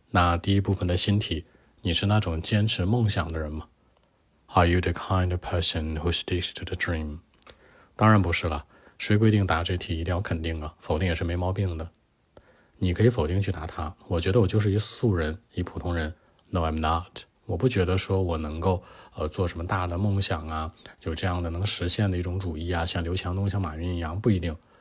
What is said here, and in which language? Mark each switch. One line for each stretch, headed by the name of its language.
Chinese: 那第一部分的新题，你是那种坚持梦想的人吗？
English: Are you the kind of person who sticks to the dream?
Chinese: 当然不是了，谁规定答这题一定要肯定啊？否定也是没毛病的。你可以否定去答他，我觉得我就是一素人，一普通人。
English: No, I'm not。
Chinese: 我不觉得说我能够做什么大的梦想啊，有这样的能实现的一种主义啊，像刘强东像马云一样，不一定。